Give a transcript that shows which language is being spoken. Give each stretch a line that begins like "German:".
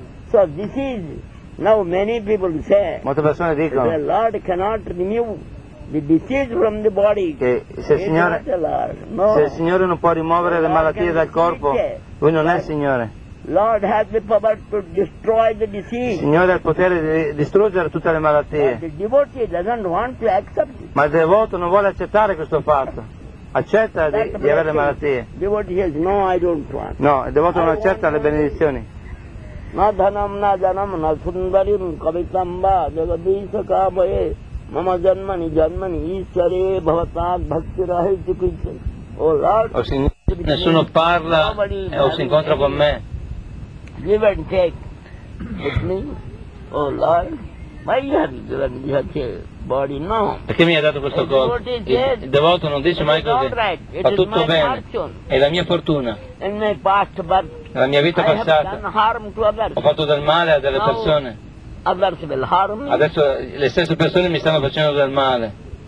English: So this is now many people say.
Italian: Molte persone dicono.
English: The Lord cannot remove. The disease from the body.
Italian: Che se il Signore, no. Se il Signore non può rimuovere le malattie dal corpo, lui non è il Signore.
English: Lord has the power to destroy the disease.
Italian: Il Signore ha il potere di distruggere tutte le malattie.
English: But the devotee doesn't want to accept it.
Italian: Ma il devoto non vuole accettare questo fatto. Accetta di avere le malattie.
English: Devotee says, no, I don't want.
Italian: No, il devoto non accetta le benedizioni.
Sanskrit: Na dhanam na janam na sundarim kavitamba jagadisha kamaye. Mama janmani janmani ishare bhavatak bhakti rahit kuch.
English: Oh Lord,
Italian: nessuno parla e o si incontra con me.
English: Give and take with me. Oh Lord, why you have given me such a body? No.
Italian: Perché mi hai dato questo corpo? Il devoto non dice mai così. Fa tutto bene. È la mia fortuna.
English: In my past birth,
Italian: la mia vita passata. Ho fatto del male a delle persone. Adesso le stesse persone mi stanno facendo del male.